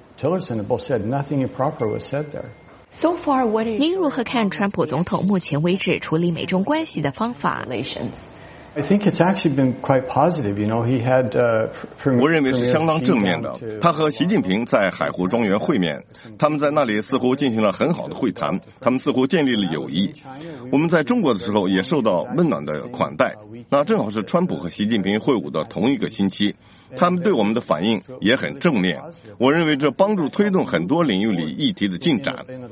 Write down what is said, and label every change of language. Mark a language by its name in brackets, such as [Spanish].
[English] Tillerson have both said nothing improper was said there. So far, what is? [Chinese] 您如何看川普总统目前为止处理美中关系的方法？ [English] I think it's actually been quite positive. You know, he had. [Chinese] 我认为是相当正面的。他和习近平在海湖庄园会面，他们在那里似乎进行了很好的会谈，他们似乎建立了友谊。我们在中国的时候也受到温暖的款待，那正好是川普和习近平会晤的同一个星期。他们对我们的反应也很正面，我认为这帮助推动很多领域里议题的进展。